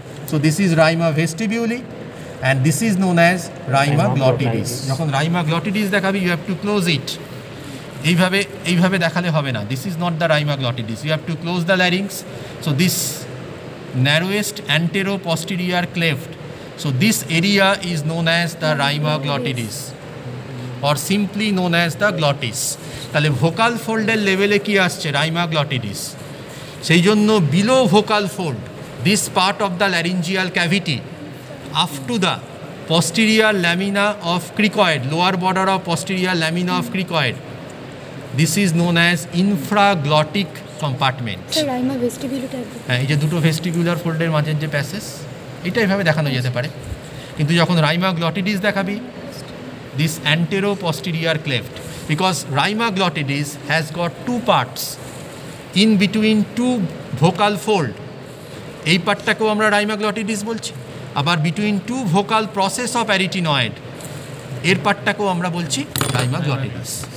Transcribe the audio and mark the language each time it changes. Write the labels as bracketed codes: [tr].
[en] So this is rima vestibuli and this is known as rima glottidis. [bn] যখন রাইমা গ্লটিডিস দেখাবি, [en] you have to close it, [bn] এইভাবে এইভাবে দেখালে হবে না, [en] This is not the rima glottidis, you have to close the larynx. So this narrowest antero posterior cleft, So this area is known as the rima glottidis or simply known as the glottis. [bn] Tale vocal fold er level e ki asche rima glottidis. Sei jonno [en] below vocal fold, this part of the laryngeal cavity up to the posterior lamina of cricoid, lower border of posterior lamina of cricoid. This is known as infraglottic compartment. Sir, rima vestibular type. [bn] Hai, je duto vestibular fold er majhe je passes. এটা এইভাবে দেখানো যেতে পারে, কিন্তু যখন রাইমা গ্লটিডিস দেখাবি, [en] this antero posterior cleft, because rima glottidis has got two parts in between two vocal fold, [bn] এই পার্টটাকেও আমরা রাইমা গ্লটিডিস বলছি, আবার [en] between two vocal process of arytenoid [bn] এর পার্টটাকেও আমরা বলছি রাইমা গ্লটিডিস।